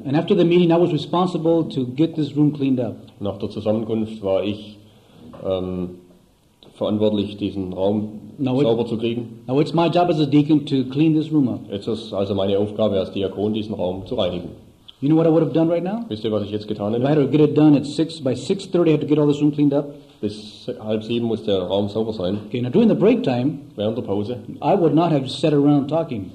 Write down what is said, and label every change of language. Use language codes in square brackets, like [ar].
[en] And after the meeting, I was responsible to get this room cleaned up. [de] Nach der Zusammenkunft war ich verantwortlich, diesen Raum sauber zu kriegen. [en] Now it's my job as a deacon to clean this room up. [de] Jetzt ist also meine Aufgabe als Diakon, diesen Raum zu reinigen. [en] You know what I would have done right now? [de] Wisst ihr, was ich jetzt getan hätte? [en] If I had to get it done at 6, by 6:30 I had to get all this room cleaned up. [de] Bis 6:30 muss der Raum sauber sein. [en] Okay, now during the break time, [de] während der Pause, [en] I would not have sat around talking.